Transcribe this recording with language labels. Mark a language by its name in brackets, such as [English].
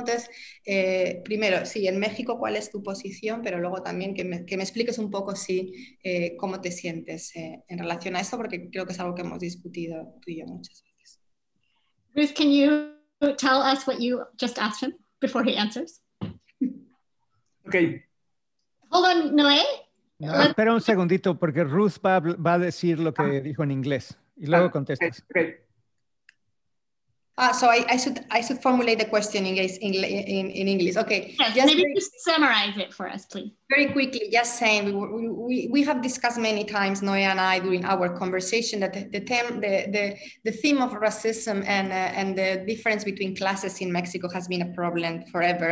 [Spanish] Entonces, primero, sí, en México, ¿cuál es tu posición? Pero luego también que me expliques un poco cómo te sientes en relación a esto, porque creo que es algo que hemos discutido tú y yo muchas veces. [English] Ruth, can you tell us what you just asked him before he answers? Okay. Hold on, Noé. [Spanish] No, espera un segundito, porque Ruth va a decir lo que dijo en inglés y luego contestas. [English] Okay. Ah, so I should formulate the question in English. Okay. Yes, maybe just summarize it for us, please. Very quickly, just saying, we have discussed many times, Noé and I, during our conversation, that the theme of racism and the difference between classes in Mexico has been a problem forever.